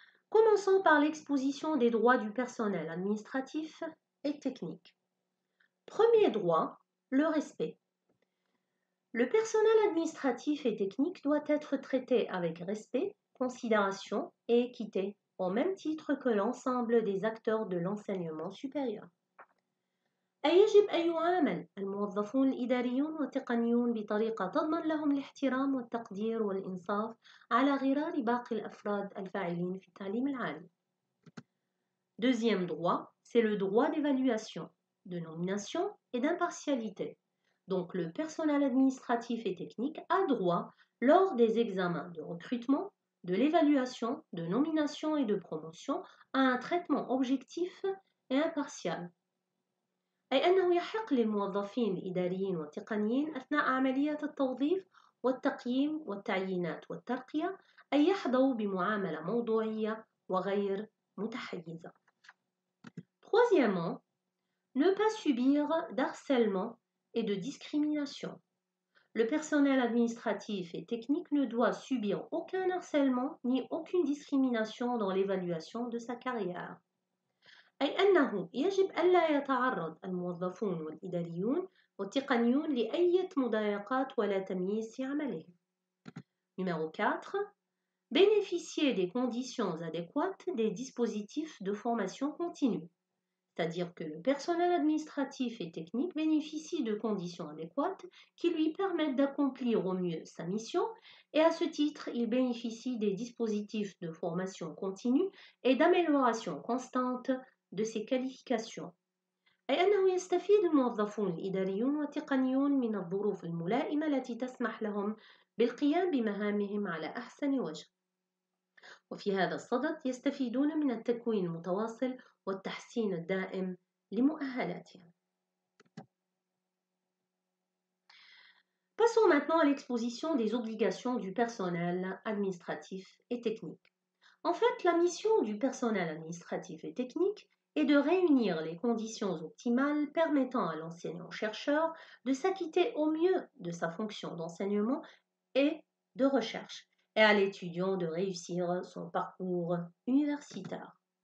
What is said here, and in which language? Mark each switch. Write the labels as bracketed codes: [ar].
[fr] Commençons par l'exposition des droits du personnel administratif et technique. Premier droit, le respect. Le personnel administratif et technique doit être traité avec respect, considération et équité, au même titre que l'ensemble des acteurs de l'enseignement supérieur. [ar] يجب أن يعامل الموظفون الإداريون والتقنيون بطريقة تضمن لهم الاحترام والتقدير والإنصاف على غرار باقي الأفراد الفاعلين في التعليم العالي. [fr] Deuxième droit, c'est le droit d'évaluation, de nomination et d'impartialité. Donc le personnel administratif et technique a droit lors des examens de recrutement, de l'évaluation, de nomination et de promotion à un traitement objectif et impartial. [ar] أي أنه يحق للموظفين الإداريين والتقنيين أثناء عملية التوظيف والتقييم والتعيينات والترقية أن يحظوا بمعاملة موضوعية وغير متحيزة. [fr] Troisièmement, ne pas subir d'harcèlement et de discrimination. Le personnel administratif et technique ne doit subir aucun harcèlement ni aucune discrimination dans l'évaluation de sa carrière. [ar] أي أنه يجب ألا يتعرض الموظفون والإداريون والتقنيون لأي مضايقات ولا تمييز في عملهم. [fr] Numéro 4. Bénéficier des conditions adéquates des dispositifs de formation continue. C'est-à-dire que le personnel administratif et technique bénéficie de conditions adéquates qui lui permettent d'accomplir au mieux sa mission et à ce titre, il bénéficie des dispositifs de formation continue et d'amélioration constante de ses qualifications. [ar] أي أنه يستفيد الموظفون الإداريون والتقنيون من الظروف الملائمة التي تسمح لهم بالقيام بمهامهم على أحسن وجه. وفي هذا الصدد يستفيدون من التكوين المتواصل والتحسين الدائم لمؤهلاتهم. [fr] Passons maintenant à l'exposition des obligations du personnel administratif et technique. En fait, la mission du personnel administratif et technique et de réunir les conditions optimales permettant à l'enseignant-chercheur de s'acquitter au mieux de sa fonction d'enseignement et de recherche, et à l'étudiant de réussir son parcours universitaire.